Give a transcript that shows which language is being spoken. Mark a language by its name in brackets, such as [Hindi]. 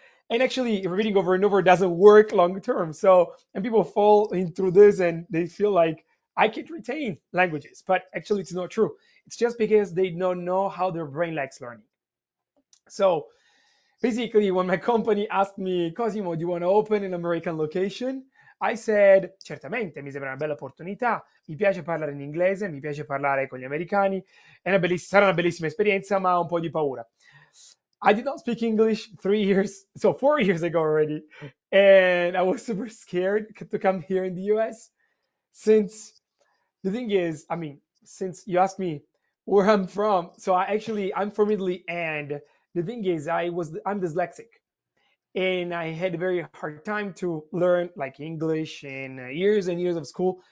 [English] And actually, repeating over and over doesn't work long term. So, and people fall into this and they feel like, I can't retain languages, but actually it's not true. It's just because they don't know how their brain likes learning. So basically, when my company asked me, Cosimo, do you want to open an American location? I said, [Italian] certamente, mi sembra una bella opportunità. Mi piace parlare in inglese, mi piace parlare con gli americani. Sarà una bellissima esperienza, ma un po' di paura. [English] I did not speak English 3 years, so 4 years ago already. And I was super scared to come here in the US. Since the thing is, I mean, since you asked me where I'm from, so I'm from Italy. And the thing is, I'm dyslexic. And I had a very hard time to learn like English in years and years of school.